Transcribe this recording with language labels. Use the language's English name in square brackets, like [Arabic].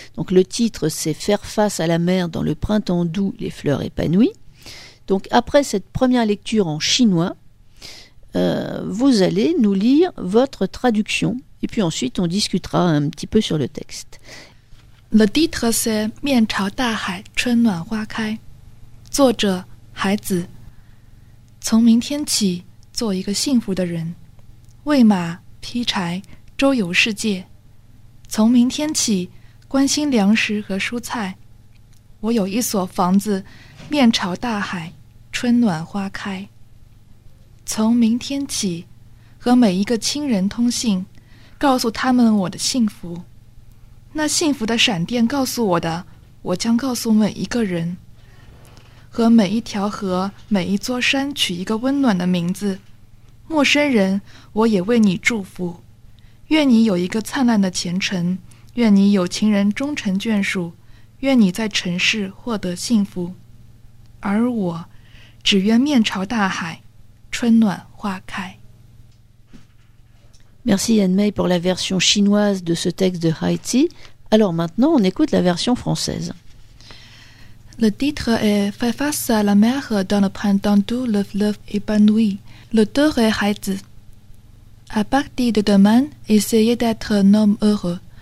[French] Donc le titre, c'est « Faire face à la mer dans le printemps doux, les fleurs épanouies ». Donc après cette première lecture en chinois, vous allez nous lire votre traduction. Et puis ensuite, on discutera un petit peu sur le texte. Le titre, c'est « [Chinese] Mian chao da hai, chun nuan hua kai ». 作者孩子，从明天起做一个幸福的人，喂马，劈柴，周游世界。从明天起关心粮食和蔬菜。我有一所房子，面朝大海，春暖花开。从明天起和每一个亲人通信，告诉他们我的幸福。那幸福的闪电告诉我的，我将告诉每一个人。和每一条河，每一座山取一个温暖的名字。陌生人，我也为你祝福。愿你有一个灿烂的前程，愿你有情人终成眷属，愿你在城市获得幸福。而我，只愿面朝大海，春暖花开。 [French] Merci Yanmei pour la version chinoise de ce texte de Hai Zi. Alors maintenant, on écoute la version française. Le titre est « Faire face à la mer dans le printemps doux, le fleuve épanoui ». L'auteur est Hai Zi. À partir de demain, essayez d'être un homme heureux.